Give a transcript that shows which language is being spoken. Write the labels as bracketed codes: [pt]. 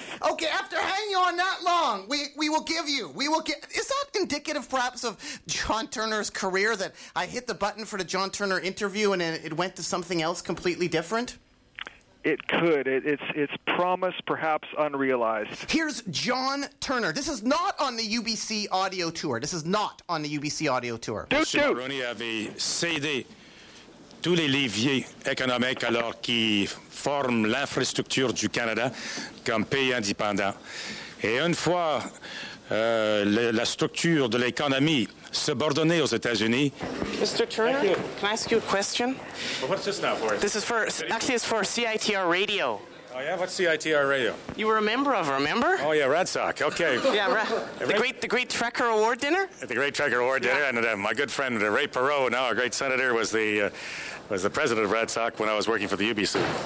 [en] Okay, after hanging on that long, we will give, is that indicative perhaps of John Turner's career, that I hit the button for the John Turner interview and it went to something else completely different? It could. It's promise, perhaps unrealized. Here's John Turner. This is not on the UBC audio tour. [fr] Monsieur Maroney avait cédé tous les leviers économiques alors qui forment l'infrastructure du Canada comme pays indépendant. Et une fois la structure de l'économie subordonnée aux États-Unis. [en] Mr. Turner, can I ask you a question? Well, what's this now for? This is for, actually it's for CITR Radio. Oh, yeah? What's CITR Radio? You were a member of, remember? Oh, yeah, Red Sox, okay. Yeah, the great Trekker Award Dinner? The Great Trekker Award Dinner, yeah. And my good friend Ray Perot, now a great senator, was the president of Red Sox when I was working for the UBC.